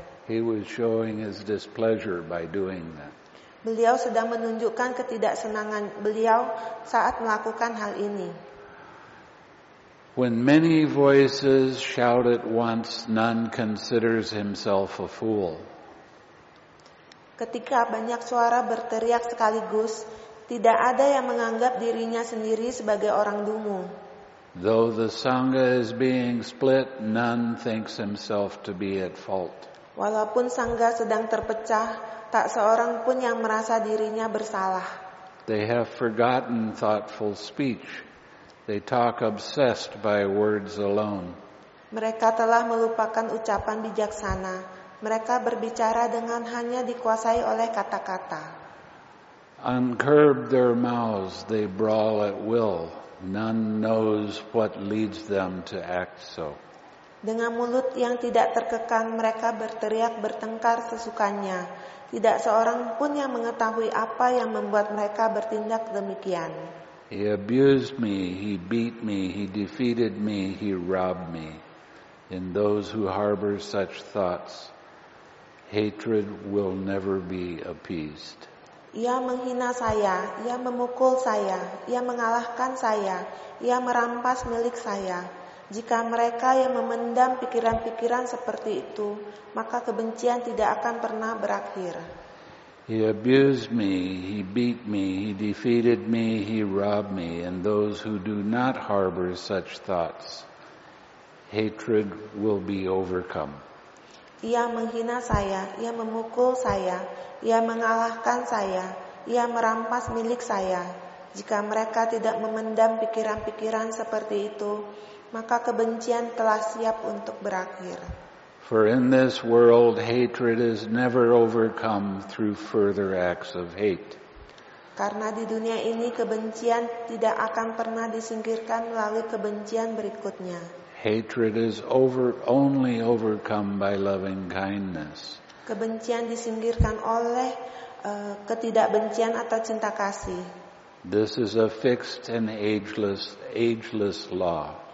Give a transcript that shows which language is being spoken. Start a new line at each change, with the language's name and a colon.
English: He was showing his displeasure by doing that.
Indonesian: Beliau sedang menunjukkan ketidaksenangan beliau saat melakukan hal ini.
English: When many voices shout at once, none considers himself a fool.
Indonesian: Ketika banyak suara berteriak sekaligus, tidak ada yang menganggap dirinya sendiri sebagai orang dungu.
English: Though the sangha is being split, none thinks himself to be at fault.
Indonesian: Walaupun sangha sedang terpecah, tak seorang pun yang merasa dirinya bersalah.
English: They have forgotten thoughtful speech. They talk obsessed by words alone.
Indonesian: Mereka telah melupakan ucapan bijaksana. Mereka berbicara dengan hanya dikuasai oleh kata-kata.
English: Uncurbed their mouths, they brawl at will. None knows what leads them to act so.
Indonesian: Dengan mulut yang tidak terkekang, mereka berteriak bertengkar sesukanya. Tidak seorang pun yang mengetahui apa yang membuat mereka bertindak demikian.
English: He abused me, he beat me, he defeated me, he robbed me. In those who harbor such thoughts, hatred will never be appeased.
Indonesian: Ia menghina saya, ia memukul saya, ia mengalahkan saya, ia merampas milik saya. Jika mereka yang memendam pikiran-pikiran seperti itu, maka kebencian tidak akan pernah berakhir.
English: He abused me, he beat me, he defeated me, he robbed me, and those who do not harbor such thoughts, hatred will be overcome.
Indonesian: Ia menghina saya, ia memukul saya, ia mengalahkan saya, ia merampas milik saya. Jika mereka tidak memendam pikiran-pikiran seperti itu, maka kebencian telah siap untuk berakhir.
English: For in this world, hatred is never overcome through further acts of hate.
Indonesian: Karena di dunia ini kebencian tidak akan pernah disingkirkan melalui kebencian berikutnya.
English: Hatred is only overcome by loving kindness.
Indonesian: Kebencian disingkirkan oleh ketidakbencian atau cinta kasih.
English: This is a fixed and ageless law.